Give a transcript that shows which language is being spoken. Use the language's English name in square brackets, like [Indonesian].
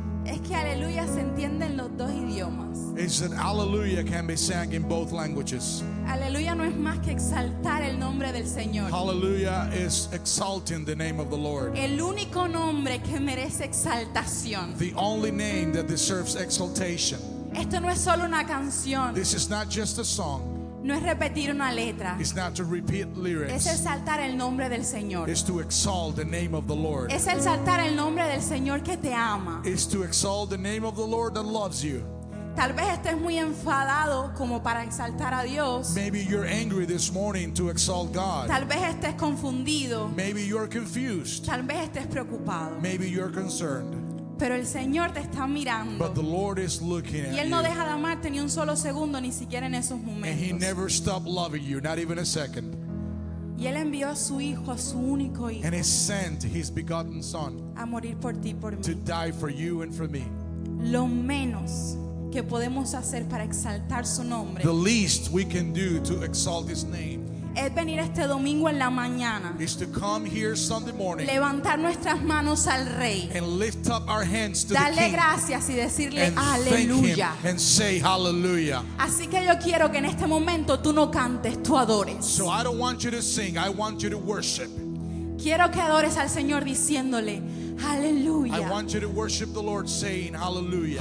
[Spanish] es que aleluya se entiende en los dos idiomas. [English] Is that hallelujah can be sang in both languages. [Spanish] Aleluya no es más que exaltar el nombre del Señor. [English] Hallelujah is exalting the name of the Lord. [Spanish] El único nombre que merece exaltación. [English] The only name that deserves exaltation. [Spanish] Esto no es solo una canción. [English] This is not just a song. [Spanish] No es repetir una letra. [English] It's not to repeat lyrics. [Spanish] Es exaltar el nombre del Señor. [English] It's to exalt the name of the Lord. [Spanish] Es exaltar el nombre del Señor que te ama. [English] It's to exalt the name of the Lord that loves you. [Spanish] Tal vez estés muy enfadado como para exaltar a Dios. [English] Maybe you're angry this morning to exalt God. [Spanish] Tal vez estés confundido. [English] Maybe you're confused. [Spanish] Tal vez estés preocupado. [English] Maybe you're concerned. [Spanish] Pero el Señor te está mirando. [English] But the Lord is looking at you. [Spanish] Y Él no [English] you. [Spanish] Deja de amarte ni un solo segundo, ni siquiera en esos momentos. [English] And He never stopped loving you, not even a second. [Spanish] Y Él envió a su Hijo, a su único Hijo. [English] And He sent His begotten Son. [Spanish] A morir por ti, por mí. [English] To die for you and for me. [Spanish] Lo menos que podemos hacer para exaltar su nombre. [English] The least we can do to exalt His name. [Spanish] Es venir este domingo en la mañana. [English] Is to come here Sunday morning. [Spanish] Levantar nuestras manos al Rey. [English] And lift up our hands to [Spanish] darle [English] the King. [Spanish] Gracias y decirle aleluya. [English] And say hallelujah. [Spanish] Así que yo quiero que en este momento tú no cantes, tú adores. [English] So I don't want you to sing, I want you to worship. [Spanish] Quiero que adores al Señor diciéndole aleluya. [English] I want you to worship the Lord saying hallelujah.